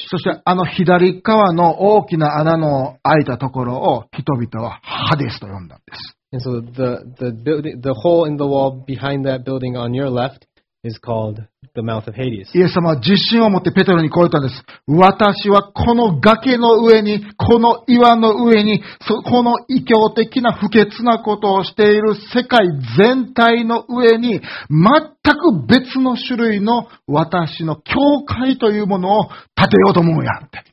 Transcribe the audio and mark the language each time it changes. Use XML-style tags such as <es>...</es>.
<ja>そしてあの左側の大きな穴の開いたところを人々はハデスと呼んだんです。</ja> <en>And so the hole in the wall behind that building on your left is called the mouth of Hades.</en> <ja>イエス様は自信を持ってペテロにこう言ったんです。私はこの崖の上に、この岩の上に、この異教的な不潔なことをしている世界全体の上に、全く別の種類の私の教会というものを建てようと思うやんって。</ja>